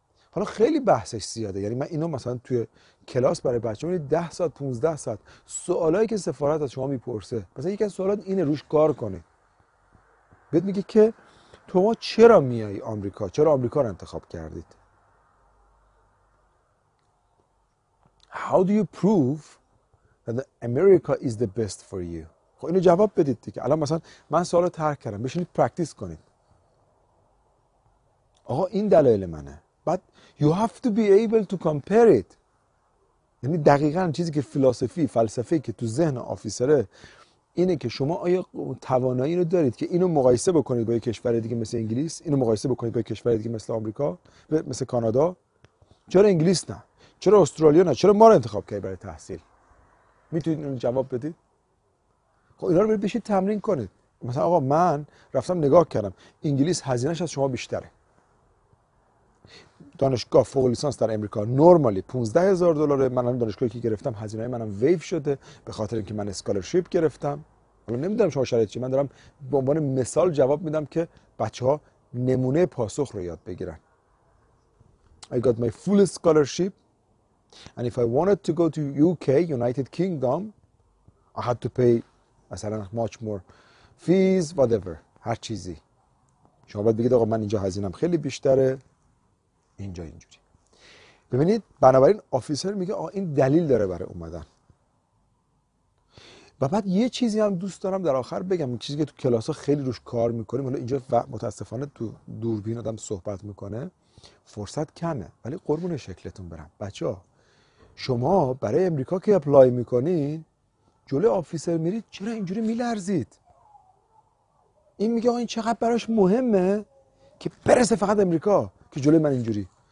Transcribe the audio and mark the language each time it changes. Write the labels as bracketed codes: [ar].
[fa] حالا خیلی بحثش زیاده، یعنی من اینو مثلا توی کلاس برای بچه هم 10 ساعت 15 ساعت سوالایی که سفارت از شما میپرسه، مثلا یکی از سوالات اینه، روش کار کنه، بهت میگه که تو ما چرا میای آمریکا، چرا آمریکا رو انتخاب کردید، [en] How do you prove that America is the best for you؟ [fa] خب اینو جواب بدید دیگه. الان مثلا من سوال رو ترک کردم، بشینید پرکتیس کنید. آقا این دلایل منه. [en] But you have to be able to compare it. [fa] یعنی دقیقاً چیزی که فلسفه که تو ذهن آفیسره اینه که شما آیا توانایی رو دارید که اینو مقایسه بکنید با یک کشور دیگه مثل انگلیس، اینو مقایسه بکنید با یک کشور دیگه مثل آمریکا و مثل کانادا. چرا انگلیس نه؟ چرا استرالیا نه؟ چرا ما رو انتخاب کردی برای تحصیل؟ میتونید اینو جواب بدید؟ خب اینا رو بشید تمرین کنید. مثلا آقا من رفتم نگاه کردم، انگلیس هزینه‌اش از شما بیشتره. دانشگاه فوق لیسانس در امریکا نرمالی 15000 دلاره. من الان دانشگاهی که گرفتم هزینه منم ویو شده به خاطر اینکه من اسکالرشیپ گرفتم. حالا نمیدونم شما شرایط چی، من دارم به عنوان مثال جواب میدم که بچه‌ها نمونه پاسخ رو یاد بگیرن. [en] I got my full scholarship and if I wanted to go to UK United Kingdom I had to pay مثلا much more fees whatever. [fa] هر چیزی شما باید بگید آقا من اینجا هزینه‌ام خیلی بیشتره، اینجا اینجوری. ببینید بنابراین آفیسر میگه آقا این دلیل داره برای اومدن. و بعد یه چیزی هم دوست دارم در آخر بگم، چیزی که تو کلاس ها خیلی روش کار میکنیم، حالا اینجا متاسفانه تو دوربین آدم صحبت میکنه فرصت کمه، ولی قربون شکلتون برم بچه ها، شما برای امریکا که اپلای میکنین جلوی آفیسر میرید، چرا اینجوری میلرزید؟ این میگه آقا این چقدر براش مهمه که برسه فقط امریکا که جلوی من اینجوری.